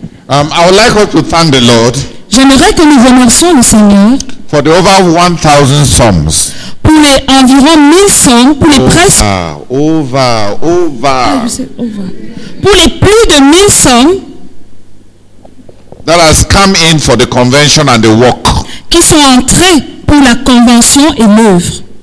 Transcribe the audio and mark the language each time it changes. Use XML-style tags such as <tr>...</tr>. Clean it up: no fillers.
<en>I would like us to thank the Lord.</en> <fr>J'aimerais que nous remercions le Seigneur</fr> <en>for the over 1,000 psalms.</en> <fr>Pour les environ 1000 psaumes, pour les presque pour les plus de 1000 psaumes</fr> <en>that has come in for the convention and the work.</en> <fr>Qui sont entrés pour la convention et l'œuvre.</fr>